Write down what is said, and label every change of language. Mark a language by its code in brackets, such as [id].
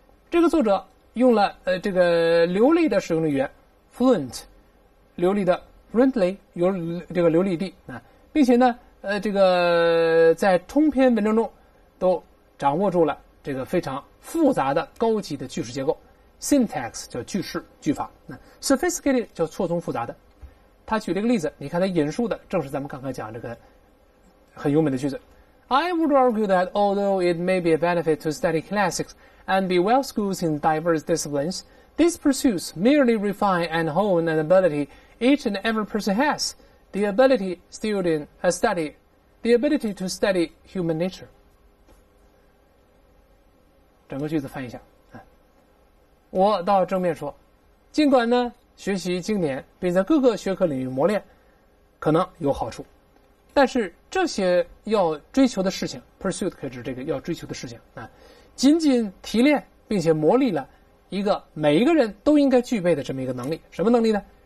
[zh] 这个作者用了这个流利的使用的语言 fluent， 流利的 fluently 有这个流利地啊，并且呢，这个在通篇文章中都掌握住了这个非常复杂的高级的句式结构。 syntax 叫句式句法，那 sophisticated 叫错综复杂的。他举了一个例子，你看他引述的正是咱们刚刚讲这个很优美的句子。 [en] I would argue that although it may be a benefit to study classics and be well schooled in diverse disciplines, these pursuits merely refine and hone an ability each and every person has, the ability to study human nature. [zh] 整个句子翻译一下。我倒正面说，尽管呢学习经典并在各个学科领域磨练可能有好处，但是这些要追求的事情 pursuit 可以指这个要追求的事情啊，仅仅提炼并且磨砺了一个每一个人都应该具备的这么一个能力，什么能力呢？